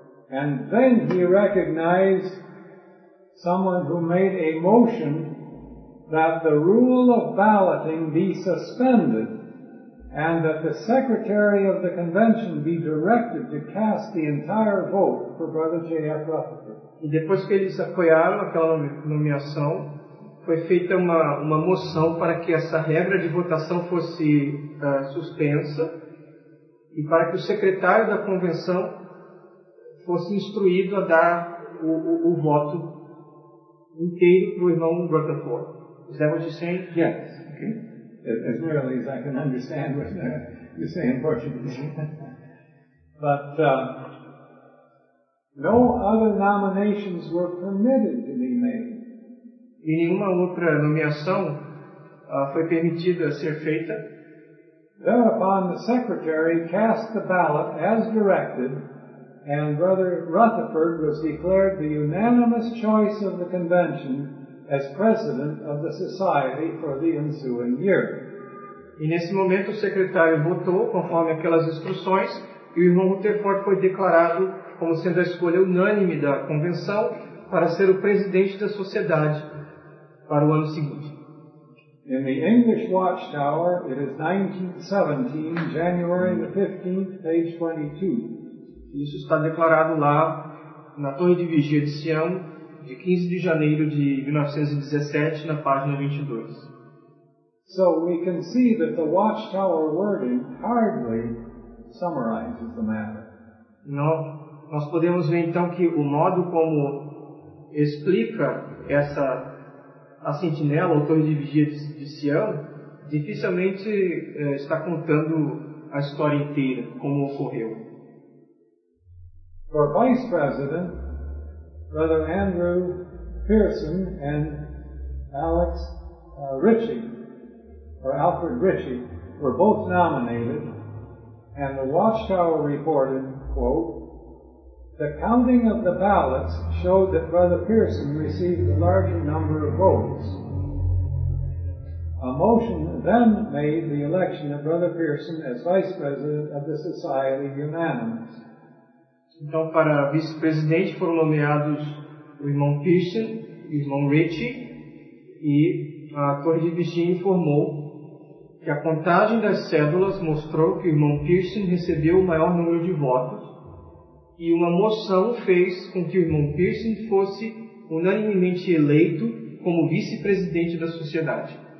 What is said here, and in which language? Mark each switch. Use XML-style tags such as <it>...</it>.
<en>And then he recognized someone who made a motion that the rule of balloting be suspended and that the secretary of the convention be directed to cast the entire vote for Brother J.F. Rutherford.</en> <pt>E depois que eles apoiaram aquela nomeação, foi feita uma moção para que essa regra de votação fosse suspensa e para que o secretário da convenção fosse instruído a dar o voto inteiro para o irmão Rutherford.</pt> <en>Is that what you're saying? Yes. Okay. As nearly as I can understand what you're saying in Portuguese. But no other nominations were permitted to be made.</en> <pt>E nenhuma outra nomeação foi permitida ser feita.</pt> <en>Thereupon the secretary cast the ballot as directed, and Brother Rutherford was declared the unanimous choice of the convention as president of the society for the ensuing year.</en> <pt>E nesse momento o secretário votou conforme aquelas instruções e o irmão Rutherford foi declarado como sendo a escolha unânime da convenção para ser o presidente da sociedade para o ano seguinte.</pt> <en>In the English Watchtower, it is 1917, January the 15th, page 22.</en> <pt>Isso está declarado lá na Torre de Vigia de Sião, de 15 de janeiro de 1917, na página 22.</pt> <en>So we can see that the Watchtower wording hardly summarizes the matter.</en> <pt>Nós podemos ver então que o modo como explica essa a sentinela, ou Torre de Vigia de Sião, dificilmente está contando a história inteira, como ocorreu.</pt> <en>For Vice President, Brother Andrew Pearson and Alex Ritchie, or Alfred Ritchie, were both nominated, and the Watchtower reported, quote, "The counting of the ballots showed that Brother Pearson received the larger number of votes. A motion then made the election of Brother Pearson as Vice President of the Society unanimous."</en> <pt>Então, para vice-presidente foram nomeados o irmão Pearson, o irmão Ritchie, e a Torre de Vigia informou que a contagem das cédulas mostrou que o irmão Pearson recebeu o maior número de votos, e uma moção fez com que o irmão Pearson fosse unanimemente eleito como vice-presidente da sociedade.</pt>